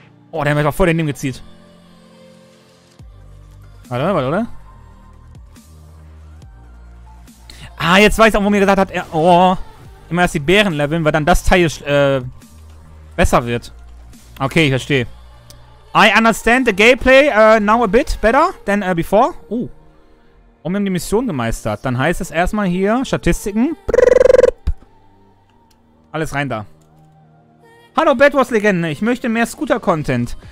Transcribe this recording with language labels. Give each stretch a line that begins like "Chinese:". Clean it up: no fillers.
German: Oh, der hat mich auch vor den Nimm gezielt. Warte. Ah, jetzt weiß ich auch, wo mir gesagt hat, immer erst die Bären leveln, weil dann das Teil besser wird. Okay, ich verstehe.
English: I understand the gameplay now a bit better than before.
German: Und wir haben die Mission gemeistert. Dann heißt es erstmal hier Statistiken. Alles rein da. Hallo Bed Wars Legende, ich möchte mehr Scooter-Content.